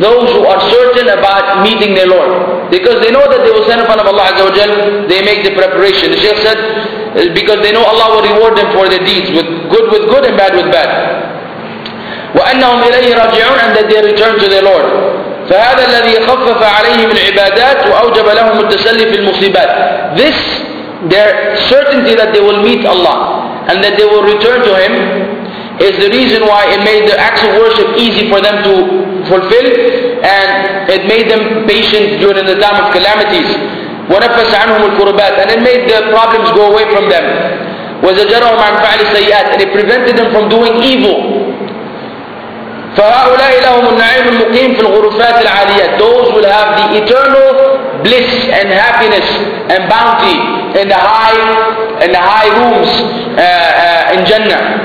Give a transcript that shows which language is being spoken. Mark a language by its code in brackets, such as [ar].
[en] Those who are certain about meeting their Lord. Because they know that they will stand in front of Allah Azza wa Jal, they make the preparation. The Shaykh said, because they know Allah will reward them for their deeds, with good and bad with bad. [ar] وَأَنَّهُمْ إِلَيْهِ رَاجِعُونَ. [en] And that they return to their Lord. [ar] فهذا الذي خفف عليهم العبادات وأوجب لهم التسلي في المصيبات. [en] This, their certainty that they will meet Allah and that they will return to Him, is the reason why it made the acts of worship easy for them to fulfill, and it made them patient during the time of calamities. [ar] ونفس عنهم الكربات. [en] And it made the problems go away from them. [ar] وزجرهم عن فعل السيئات. [en] And it prevented them from doing evil. [ar] فهؤلاء لهم النعيم المقيم في الغرفات العالية. [en] Those will have the eternal bliss and happiness and bounty in the high rooms in Jannah.